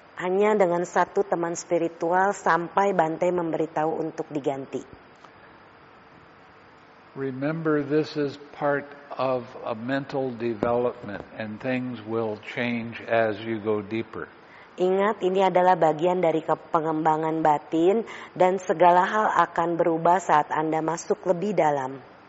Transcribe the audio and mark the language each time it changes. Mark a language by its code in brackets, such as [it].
[id] Hanya dengan satu teman spiritual sampai Bante memberitahu untuk diganti. [en] Remember, this is part of a mental development, and things will change as you go deeper. [id] Ingat, ini adalah bagian dari pengembangan batin dan segala hal akan berubah saat Anda masuk lebih dalam.